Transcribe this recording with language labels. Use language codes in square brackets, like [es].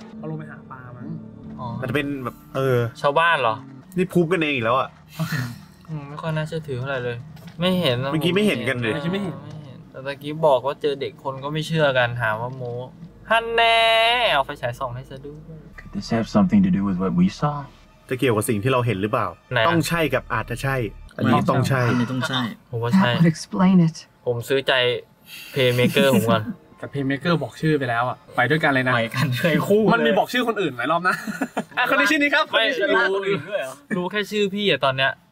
[th] เขาลงไปหาปลามั้ง มันจะเป็นแบบ ชาวบ้านเหรอ นี่พูดกันเองอีกแล้วอ่ะ ไม่ค่อยน่าเชื่อถือเท่าไหร่เลยไม่เห็น เมื่อกี้ไม่เห็นกันเลย ไม่เห็น แต่ตะกี้บอกว่าเจอเด็กคนก็ไม่เชื่อกันถามว่าโม้ฮันแน่เอาไฟฉายส่องให้ซะดู [en] Could this have something to do with what we saw [th] จะเกี่ยวกับสิ่งที่เราเห็นหรือเปล่าต้ องใช่กับอาจจะใช่อันนี้ต้องใช่ อัน นี้ต้องใช่ ผมว่าใช่ผมซื้อใจเพลย์เมเกอร์ผมก่อน แต่เพลย์เมเกอร์บอกชื่อไปแล้วอ่ะไปด้วยกันเลยนะ ไปกันเคย คู่มันมีบอกชื่อคนอื่นหลายรอบนะคนนี้ชื่อนี้ครับ ไม่รู้คนอื่นด้วยรู้แค่ชื่อพี่อ่ะตอนเนี้ย